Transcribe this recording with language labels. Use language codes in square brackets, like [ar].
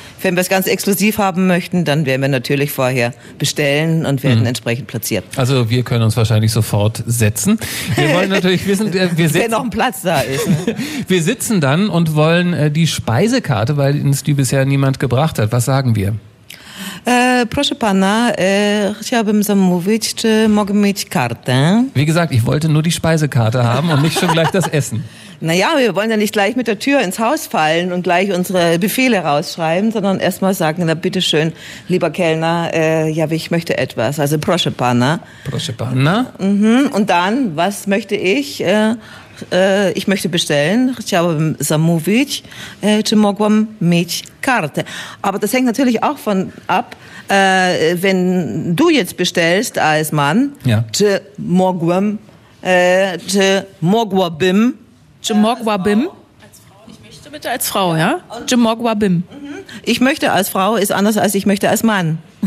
[de] Wenn wir es ganz exklusiv haben möchten, dann werden wir natürlich vorher bestellen und werden entsprechend platziert. Also wir können uns wahrscheinlich sofort setzen. Wir wollen natürlich wissen, wenn noch ein Platz da ist. Wir sitzen dann und wollen die Speisekarte, weil uns die bisher niemand gebracht hat. Was sagen wir? [pl] Proszę pana, chciałbym zamówić, czy mogę mieć kartę? [de] Wie gesagt, ich wollte nur die Speisekarte haben und nicht schon gleich das Essen. Naja, wir wollen ja nicht gleich mit der Tür ins Haus fallen und gleich unsere Befehle rausschreiben, sondern erstmal sagen, na bitteschön, lieber Kellner, ich möchte etwas. [pl] Also proszę pana. Proszę pana. [de] Mhm. Und dann, was möchte ich? Ich möchte bestellen, [pl] chciałbym zamówić, czy mogłam mieć kartę. [de] Aber das hängt natürlich auch von ab, wenn du jetzt bestellst als Mann, [pl] czy mogłam, czy mogłabym, czy mogłabym? [de] Ich möchte bitte als Frau, ja? [pl] Czy mogłabym? [de] Ich möchte als Frau ist anders als ich möchte als Mann.